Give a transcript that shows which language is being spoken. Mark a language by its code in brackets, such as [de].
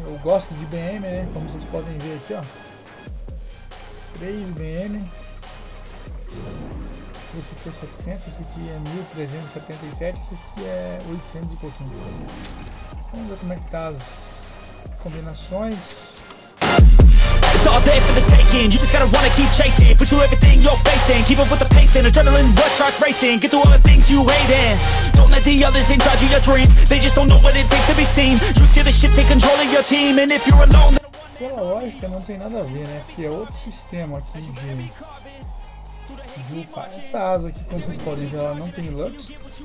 [pt] Eu gosto de BM, né? Como vocês podem ver aqui, ó. 3 BM. Esse aqui é 700, esse aqui é 1377, esse aqui é 800 e pouquinho. Vamos ver como é que tá as combinações. [en] All day for the taking, you just gotta wanna keep chasing. Put you everything you're facing, keep up with the pacing. Adrenaline rush starts racing, get through all the things you hate in. Don't let the others in charge of your dreams. They just don't know what it takes to be seen. You see the ship take control of your team. And if you're alone, [pt] pela lógica não tem nada a ver, né? Porque é outro sistema aqui de upar essa asa aqui. Como vocês podem ver, ela não tem luck.